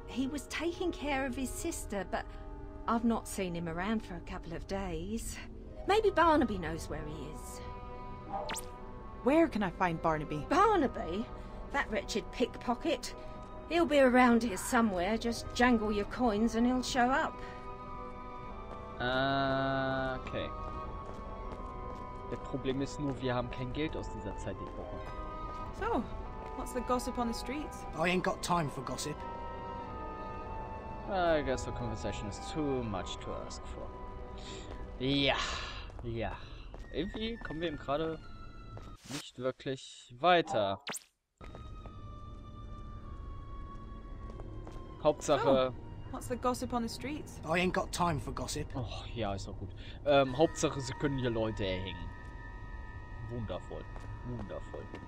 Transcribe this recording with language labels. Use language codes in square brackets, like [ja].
[en] He was taking care of his sister, but I've not seen him around for a couple of days. Maybe Barnaby knows where he is. Where can I find Barnaby? Barnaby? That wretched pickpocket. He'll be around here somewhere. Just jangle your coins and he'll show up. Okay. [de] Das Problem ist nur, wir haben kein Geld aus dieser Zeit gebraucht. [en] So, what's the gossip on the streets? I ain't got time for gossip. I guess the conversation is too much to ask for. [de] Ja, ja. Irgendwie kommen wir eben gerade nicht wirklich weiter. Hauptsache. [en] Oh, what's the gossip on the streets? I ain't got time for gossip. [de] Oh, ja, ist auch gut. Hauptsache, sie können hier Leute erhängen. Wundervoll. Wundervoll.